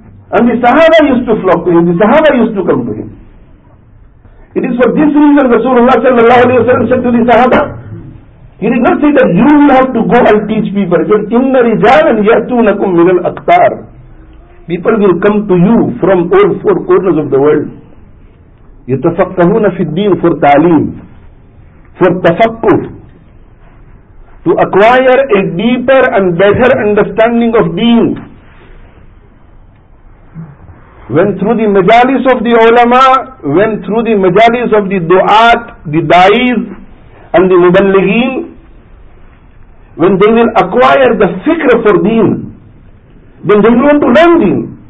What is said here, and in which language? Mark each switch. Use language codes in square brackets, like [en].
[en] And the Sahaba used to flock to him. The Sahaba used to come to him. It is for this reason Rasulullah sallallahu alayhi wa sallam said to the Sahaba, he did not say that you will have to go and teach people. He said, [ar] إِنَّ رِجَالًا يَأْتُونَكُمْ مِنَ الْأَقْطَارِ [en] People will come to you from all four corners of the world. [ar] يَتَفَقَّهُونَ فِي الدِّينِ [en] for ta'aleem. For tafakkur. To acquire a deeper and better understanding of deen. When through the majalis of the ulama, when through the majalis of the du'at, the da'is, and the muballigheen, when they will acquire the fikr for deen, then they will want to learn deen.